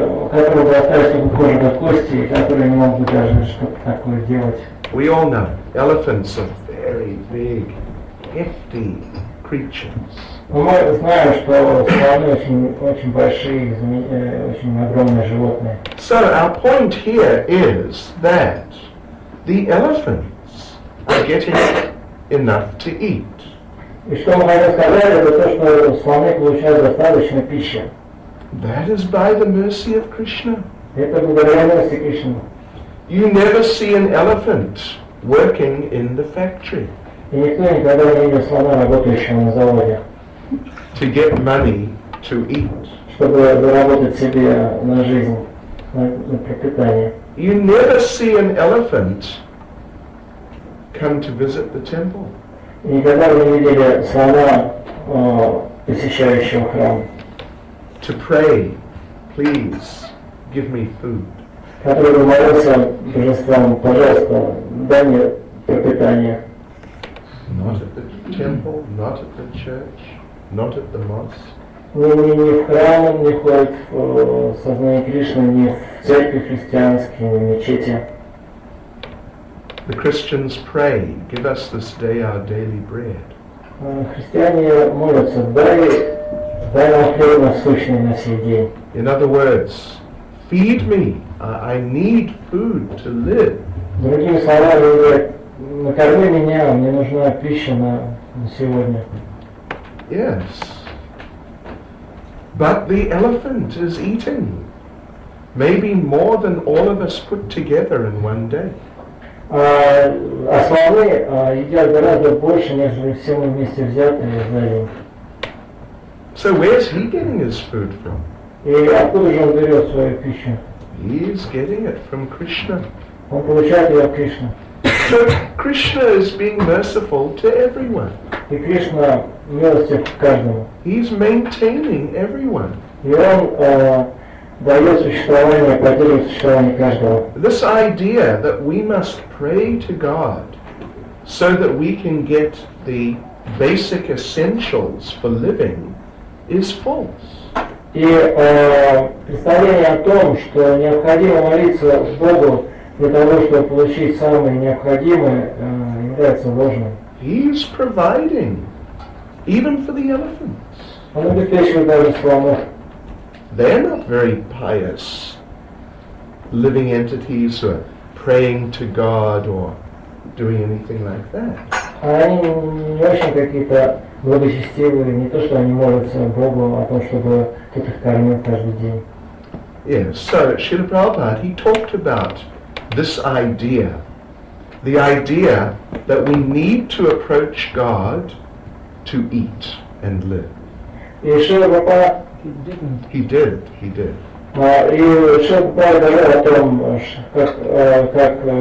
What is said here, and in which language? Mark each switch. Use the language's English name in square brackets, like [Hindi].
[Russian] Который бы остался кожа до кости, который не мог бы даже что-то такое делать. [English] We all know elephants are very big. Hefty creatures. [Russian] Мы знаем, что слоны очень большие, очень огромные животные. [English] So our point here is that the elephants are getting enough to eat. [Russian] И что мы хотим сказать, это то, что слоны получают достаточно пищи. [English] That is by the mercy of Krishna. [Russian] Это благодаря милости Кришны. [English] You never see an elephant working in the factory. [Russian] И никто никогда не видел слона, работающего на заводе. [English] To get money to eat. [Russian] Чтобы заработать себе на жизнь, на пропитание. [English] You never see an elephant come to visit the temple. [Russian] И никогда не видели слона, посещающего храм. [English] To pray, please give me food. [Russian] Который бы молился божествам, пожалуйста, дай мне пропитание. [English] Not at the temple, not at the church, not at the mosque. [Russian] Не в храм он не ходит, в сознание Кришны, не в церкви христианские, не в мечети. [English] The Christians pray, give us this day our daily bread. [Russian] Христиане молятся, дай нам хлеб насущный на сей день. [English] In other words, feed me, I need food to live. [Russian] Другими словами, говорят, накорми меня, мне нужна пища на сегодня. [English] Yes. But the elephant is eating. Maybe more than all of us put together in one day. [Russian] А слоны едят гораздо больше, нежели все мы вместе взятые за день. [English] So where's he getting his food from? [Russian] И откуда же он берет свою пищу? [English] He is getting it from Krishna. [Russian] Он получает ее от Кришны. [English] So Krishna is being merciful to everyone. [Russian] И Кришна милостив к каждому. [English] He's maintaining everyone. [Russian] И он дает существование, поддерживает существование каждого. [English] This idea that we must pray to God so that we can get the basic essentials for living is false. [Russian] И представление о том, что необходимо молиться Богу для того, чтобы получить самое необходимое, является ложным. [English] He is providing, even for the elephants. [Russian] Он обеспечивает даже слонов. [English] They're not very pious living entities or praying to God or doing anything like that. [Russian] Они не очень какие-то благочестивые, не то, что они молятся Богу о том, чтобы кто-то их кормил каждый день. [English] Yes, so Srila Prabhupada, he talked about this idea, the idea that we need to approach God to eat and live. [Russian] И Шрила Прабхупада... [English] He did. [Russian] И Шрила Прабхупада говорил о том, как...